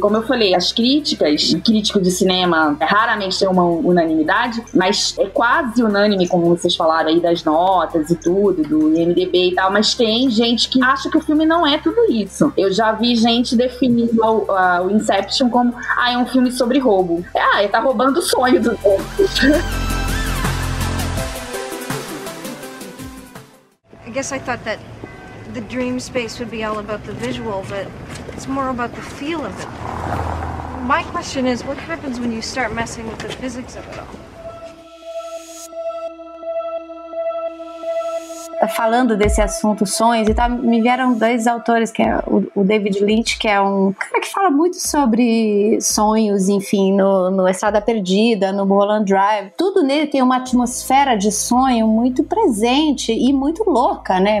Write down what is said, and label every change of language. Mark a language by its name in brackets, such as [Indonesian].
[Portuguese] Como eu falei, as críticas, crítico de cinema raramente tem uma unanimidade, mas é quase unânime, como vocês falaram aí, das notas e tudo, do IMDB e tal, mas tem gente que acha que o filme não é tudo isso. Eu já vi gente definindo o Inception como, é um filme sobre roubo. Ele tá roubando o sonho do povo. [English] I guess I thought that the dream space would be all about the visual, but it's more about the feel of it. My question is, what happens when you start messing with the physics of it all? [Portuguese] Falando desse assunto, sonhos e tal, me vieram 2 autores, que é o David Lynch, que é um cara que fala muito sobre sonhos, enfim, no Estrada Perdida, no Mulholland Drive. Tudo nele tem uma atmosfera de sonho muito presente e muito louca, né?